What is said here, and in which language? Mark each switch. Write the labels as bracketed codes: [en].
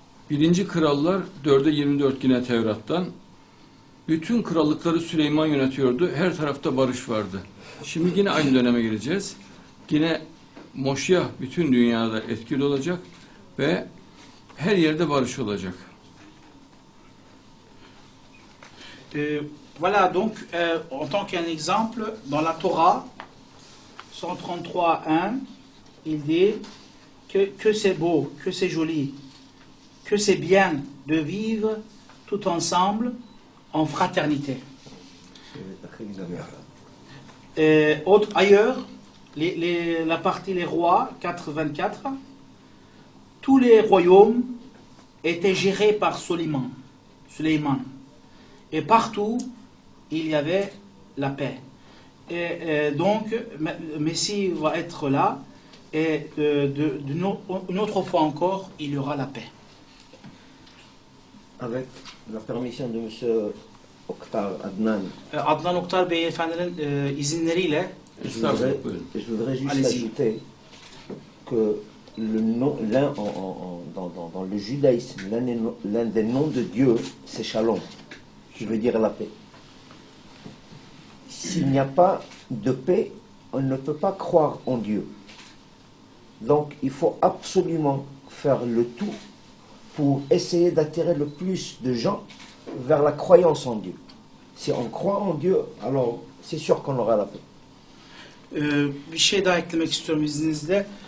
[tr] Birinci krallar 4:24 yine Tevrat'tan. Bütün krallıkları Süleyman yönetiyordu. Her tarafta barış vardı. Şimdi yine aynı döneme gireceğiz. Yine Moşiyah bütün dünyada etkili olacak ve her yerde barış olacak. [fr] Voilà donc en tant qu'un exemple dans la Torah 133:1 il dit que c'est beau, que c'est joli, que c'est bien de vivre tout ensemble en fraternité. Ailleurs, la partie les rois 4:24, tous les royaumes étaient gérés par Suleyman. Et partout, il y avait la paix. Et donc, le Messie va être là, et une autre fois encore, il y aura la paix. Avec la permission de Monsieur Oktar Adnan. [tr] Adnan Oktar Beyefendi'nin izinleriyle. [fr] Je voudrais juste ajouter que dans le judaïsme, l'un des noms de Dieu, c'est Shalom. Je veux dire la paix. S'il n'y a pas de paix, on ne peut pas croire en Dieu. Donc, il faut absolument faire le tout pour essayer d'attirer le plus de gens vers la croyance en Dieu. Si on croit en Dieu, alors c'est sûr qu'on aura la paix. [tr] Bir şey daha eklemek istiyorum izninizle.